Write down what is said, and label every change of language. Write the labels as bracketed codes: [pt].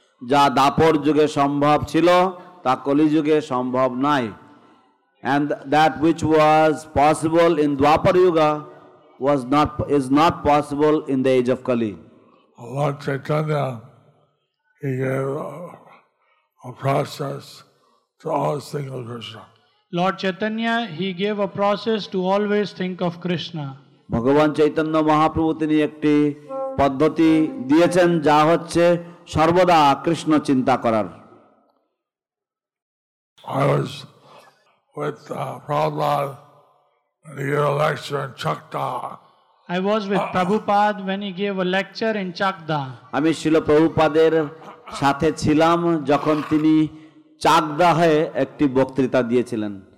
[bn] যা দ্বাপর যুগে সম্ভব ছিল তা কলি যুগে সম্ভব নাই। [en] And that which was possible in Dwapar Yuga is not possible in the age of Kali. Lord Chaitanya, he gave a process to always think of Krishna. Lord Chaitanya, he gave a process to always think of Krishna. [bn] ভগবান চৈতন্য মহাপ্রভু তিনি একটি পদ্ধতি দিয়েছেন যা হচ্ছে সর্বদা কৃষ্ণ চিন্তা করার। [en] I was with Prabhupada when he gave a lecture in Chakda. I was with Prabhupada when he gave a lecture in Chakda. [bn] আমি শ্রীল প্রভুপাদের সাথে ছিলাম যখন তিনি চাকদাহে একটি বক্তৃতা দিয়েছিলেন।